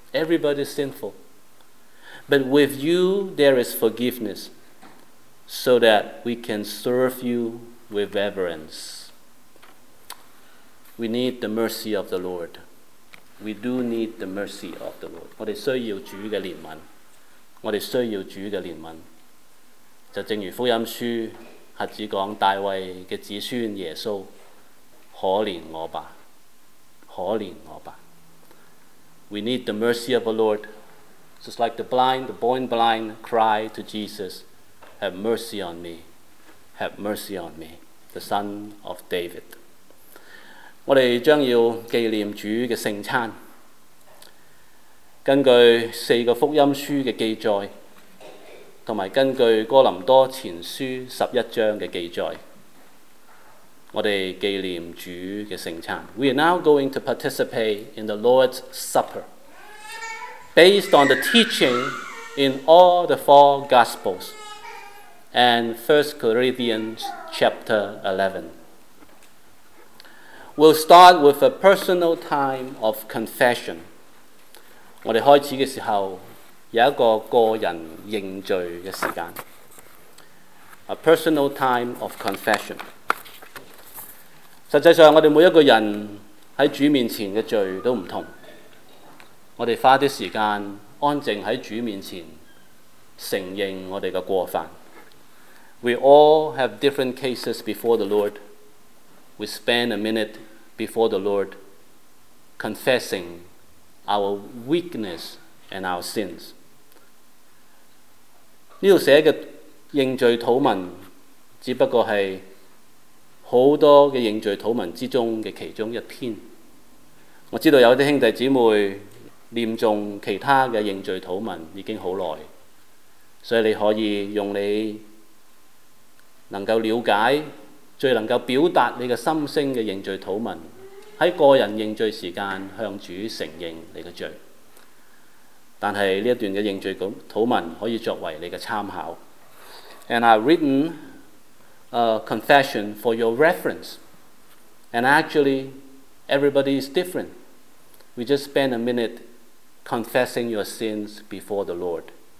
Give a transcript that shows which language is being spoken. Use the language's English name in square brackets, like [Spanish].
[English] Everybody is sinful. But with you, there is forgiveness so that we can serve you with reverence. We need the mercy of the Lord. We do need the mercy of the Lord. [Chinese] 我们需要主的怜悯。我们需要主的怜悯。就正如福音书瞎子讲大卫的子孙耶稣，可怜我吧。可怜我吧。 [English] We need the mercy of the Lord, just like the blind, the born blind, cry to Jesus, have mercy on me. Have mercy on me, the son of David. [Chinese] 我们将要纪念主的圣餐。根据四个福音书的记载，同埋根据哥林多前书十一章的记载，我们纪念主的圣餐。 [English] We are now going to participate in the Lord's Supper based on the teaching in all the four Gospels and 1 Corinthians chapter 11. We'll start with a personal time of confession. [Chinese] 我们开始的时候有一个个人认罪的时间。 [English] A personal time of confession. [Chinese] 实际上我们每一个人在主面前的罪都不同，我们花些时间安静在主面前承认我们的过犯。 [English] We all have different cases before the Lord. We spend a minute before the Lord confessing our weakness and our sins. [Chinese] 这里写的认罪祷文只不过是很多的认罪祷文之中的其中一篇。我知道有些兄弟姊妹念诵其他的认罪祷文已经很久，所以你可以用你能够了解最能够表达你的心声的认罪祷文，在个人认罪时间向主承认你的罪。但是这一段的认罪祷文可以作为你的参考。 [English] And I've written a confession for your reference. And actually, everybody is different. We just spend a minute confessing your sins before the Lord.